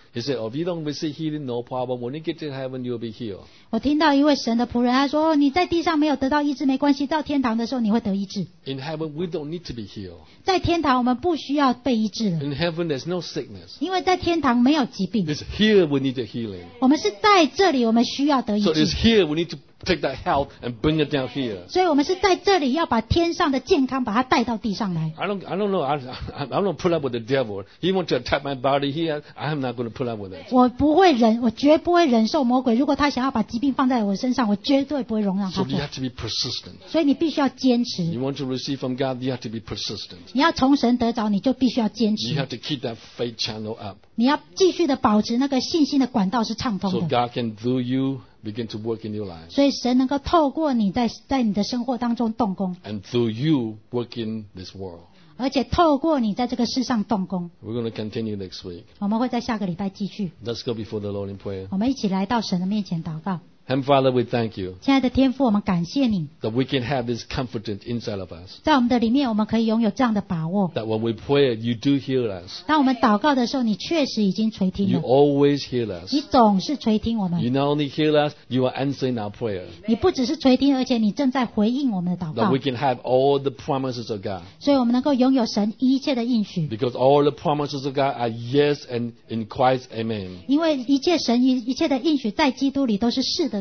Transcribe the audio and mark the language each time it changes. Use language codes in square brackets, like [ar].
[en] He said, "Oh, if you don't receive healing, no problem. When you get to heaven, you'll be healed." [zh] 我听到一位神的仆人，他说：“哦，你在地上没有得到医治，没关系。到天堂的时候，你会得医治。 [en] ”In heaven, we don't need to be healed. [zh] 在天堂，我们不需要被医治了。 [en] In heaven, there's no sickness. [zh] 因为在天堂没有疾病。 [en] It's here we need the healing. [zh] 我们是在这里，我们需要得医治。 [en] So it's here we need to. Take that health and bring it down here. [zh] 所以我们是在这里要把天上的健康把它带到地上来。 [en] I don't put up with the devil. He wants to attack my body here. I'm not going to put up with it. [zh] 我绝不会忍受魔鬼。如果他想要把疾病放在我身上，我绝对不会容让他做。 [en] So you have to be persistent. [zh] 所以你必须要坚持。 [en] You want to receive from God, you have to be persistent. [zh] 你要从神得着，你就必须要坚持。 [en] You have to keep that faith channel up. [zh] 你要继续的保持那个信心的管道是畅通的。 [en] So God can do you. Begin to work in your life. [zh] 所以神能够透过你在你的生活当中动工。 [en] And through you work in this world. [zh] 而且透过你在这个世上动工。 [en] We're going to continue next week. [zh] 我们会在下个礼拜继续。 [en] Let's go before the Lord in prayer. [zh] 我们一起来到神的面前祷告。 [en] Heavenly Father, we thank you. [zh] 亲爱的天父，我们感谢你。 [en] That we can have this confidence inside of us. [zh] 在我们的里面，我们可以拥有这样的把握。 [en] That when we pray, you do hear us. [zh] 当我们祷告的时候，你确实已经垂听了。 [en] You always hear us. [zh] 你总是垂听我们。 [en] You not only hear us, you are answering our prayer. [zh] 你不只是垂听，而且你正在回应我们的祷告。 [en] That we can have all the promises of God. [zh] 所以我们能够拥有神一切的应许。 [en] Because all the promises of God are yes and in Christ, Amen. [zh] 因为一切神一切的应许在基督里都是是的。